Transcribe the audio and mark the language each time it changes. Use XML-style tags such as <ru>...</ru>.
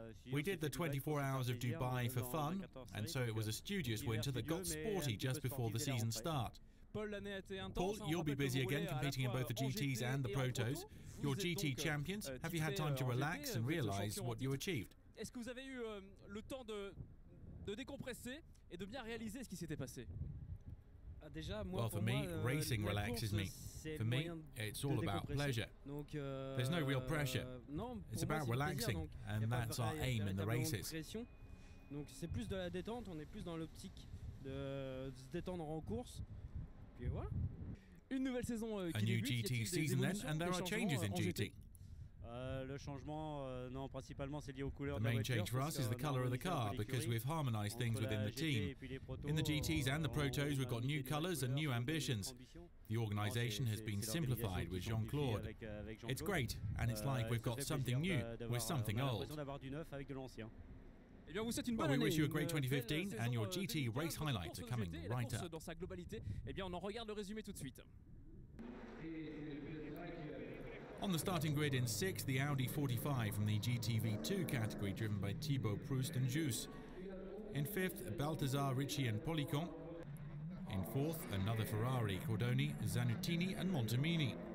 <en>We did the 24 hours of Dubai for fun, and so it was a studious winter that got sporty just before the season start. Paul, you'll be busy again competing in both the GTs and the Protos. You're GT champions. Have you had time to relax and realize what you achieved?</en> <fr>Est-ce que vous avez eu le temps de décompresser et de bien réaliser ce qui s'était passé?</fr> <en>Well, for me, racing relaxes me. For me, it's all about pleasure. There's no real pressure. It's about relaxing, and that's our aim in the races.</en> <fr>Donc c'est plus de la détente, on est plus dans l'optique de se détendre en course. Puis voilà. Une nouvelle saison qui débute. Le changement, non, principalement, c'est lié aux couleurs de la voiture. Pour nous, c'est la couleur de la voiture, parce que nous avons harmonisé les choses au sein de l'équipe. Dans les GTs et les protos, nous avons de nouvelles couleurs et de nouvelles ambitions. L'organisation a été simplifiée avec Jean-Claude. C'est génial, et c'est comme si nous avons quelque chose de nouveau avec quelque chose d'ancien. On a l'impression d'avoir du neuf avec de l'ancien. Eh bien, vous souhaitez une bonne année.</fr> <en>We wish you a great 2015, and your GT race highlights are coming right up.</en> <fr>Dans sa globalité, eh bien, on en regarde le résumé tout de suite.</fr> <en>On the starting grid in 6th, the Audi 45 from the GTV2 category, driven by Thibaut Proust and Juice. In 5th, Baltazar, Ricci and Policon. In 4th, another Ferrari, Cordoni, Zanutini and Montemini.</en>